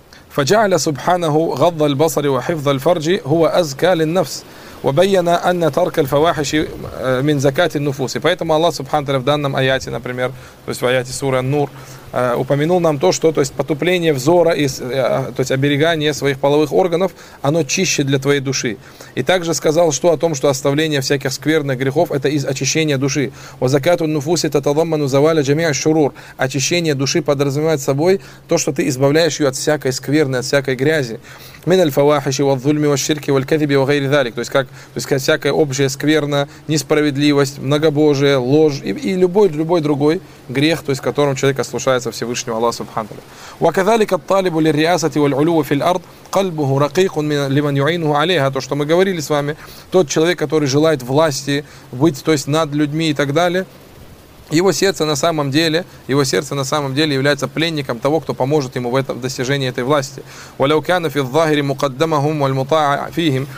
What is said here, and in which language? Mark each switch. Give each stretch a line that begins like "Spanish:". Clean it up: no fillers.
Arabic: فجعل سبحانه غض البصر وحفظ الفرج هو أزكى للنفس وبين أن ترك الفواحش من زكاة النفوس.
Russian: Поэтому Аллах Субханаху в данном аяте, например, то есть в аяте суры Ан-Нур, упомянул нам то есть потупление взора и то есть оберегание своих половых органов, оно чище для твоей души. И также сказал что о том, что оставление всяких скверных грехов это из очищения души.
Arabic: وزكاه النفوس تتضمن زوال جميع الشرور.
Russian: Очищение души подразумевает собой то, что ты избавляешь ее от всякой скверны, от всякой грязи.
Arabic: من الفواحش والظلم والشرك والكذب وغير ذلك.
Russian: То есть как всякая общая скверна, несправедливость, многобожие, ложь и любой другой грех, то есть которым человек ослушается Всевышнего Аллаха Субханаху.
Arabic: وكذلك الطالب للرئاسة والعلو في الأرض قلبه رقيق لمن يعينه عليها.
Russian: То, что мы говорили с вами, тот человек, который желает власти, быть то есть над людьми и так далее, Его сердце на самом деле является пленником того, кто поможет ему в достижении этой власти.
Arabic: وَلَوْ كَانَ فِي الظَّاهِرِ مُقَدَّمَهُمْ وَالْمُطَاعَ فِيهِمْ.